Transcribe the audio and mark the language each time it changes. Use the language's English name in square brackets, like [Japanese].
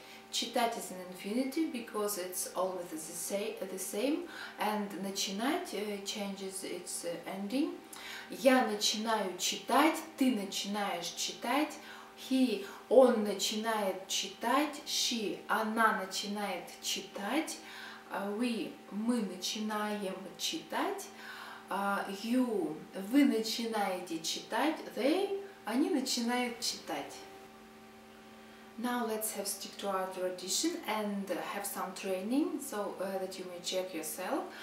[English] Читать is an infinitive because it's always the same. And начинать changes its ending. [Russian] Я начинаю читать, ты начинаешь читать. He, он начинает читать, she, она начинает читать, we, мы начинаем читать, you, вы начинаете читать, they, они начинают читать. [English] Now let's have stick to our tradition and have some training so that you may check yourself.